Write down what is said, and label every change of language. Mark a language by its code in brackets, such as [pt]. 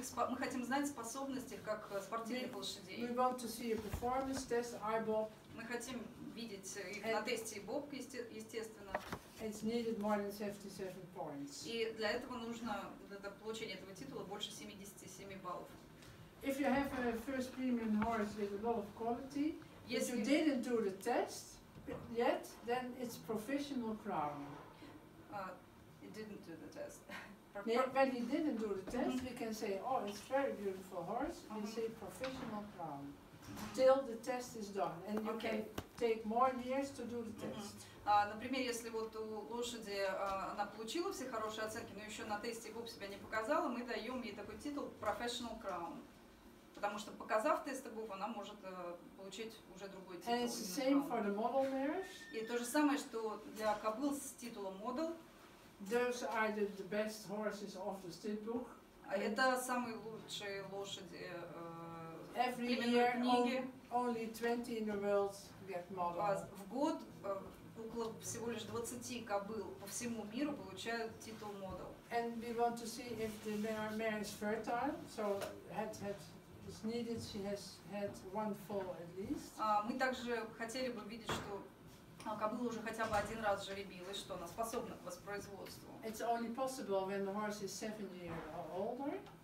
[ru] Мы хотим знать способности как спортивных лошадей. [en] We want to see a performance test, IBOP. [ru] Мы хотим видеть их на тесте IBOP, естественно. [en] It's needed more than 77 points. [ru] И для этого нужно для получения этого титула больше 77 баллов. [en] If you have a first premium horse with a lot of quality, but you didn't do the test yet, then it's professional crown. Didn't do the test. When he didn't do the test, we can say, oh, it's very beautiful horse. We say professional crown. till the test is done, and you can take more years to do the test. [ru] Например, если вот у лошади она получила все хорошие оценки, но еще на тесте губ себя не показала, мы даем ей такой титул Professional Crown. Потому что показав тесты губ, она может получить уже другой титул. [en] And it's the same for the model mares. [ru] И то же самое, что для кобыл с титулом Model. [en] Those are the best horses of the stud-book. [ru] Это самые лучшие лошади [en] Every year [ru] книги. [en] Only 20 in the world get model. [ru] В год около всего лишь 20 кобыл по всему миру получают титул Model. [en] And we want to see if the mare is fertile, so had is needed, she has had one foal at least. [ru] Мы также хотели бы видеть, что кобыла уже хотя бы один раз жеребилась, что она способна к воспроизводству. [en] It's only possible when the horse is 7 years or older.